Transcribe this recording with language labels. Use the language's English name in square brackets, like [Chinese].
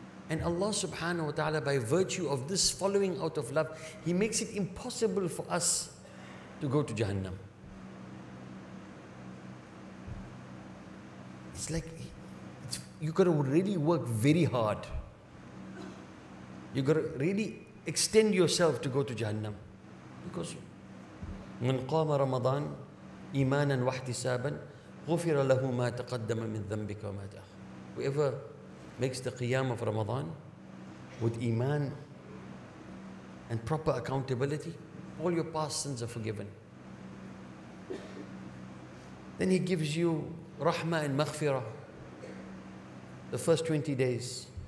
[English] And Allah subhanahu wa ta'ala, by virtue of this following out of love, He makes it impossible for us to go to Jahannam. It's like, you got to really work very hard. You got to really extend yourself to go to Jahannam. Because, [Arabic] مَنْ قَامَ رَمَضَانَ إِيمَانًا وَاحْتِسَابًا غُفِرَ لَهُ مَا تَقَدَّمَ مِنْ ذَنْبِكَ وَمَا تَأْخَرَ. [English] Whoever makes the qiyam of Ramadan with iman and proper accountability, all your past sins are forgiven. Then He gives you rahma and maghfira the first 20 days.